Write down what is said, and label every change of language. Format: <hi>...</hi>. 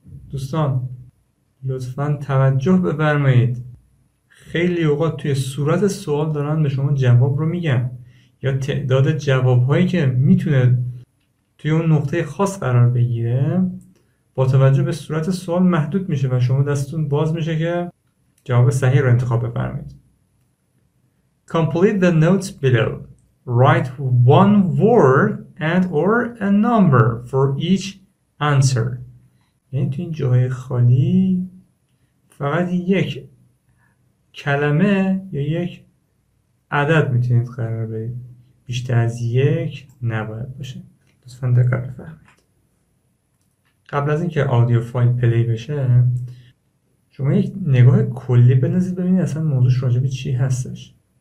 <fa>دوستان لطفاً توجه بفرمایید، خیلی اوقات توی صورت سوال دارن به شما جواب رو میگن یا تعداد جوابهایی که میتونه توی اون نقطه خاص قرار بگیره با توجه به صورت سوال محدود میشه و شما دستتون باز میشه که جواب صحیح رو انتخاب بفرمایید.</fa> <en>Complete the notes below. Write one word and or a number for each answer.</en> <fa>یعنی تو این جای خالی فقط یک کلمه یا یک عدد میتونید قرار بدید، بیشتر از یک نباید باشه. لطفا دقت بفرمایید. قبل از اینکه آدیو فایل پلی بشه شما یک نگاه کلی بندازید ببینید اصلا موضوعش راجع به چی هستش.</fa>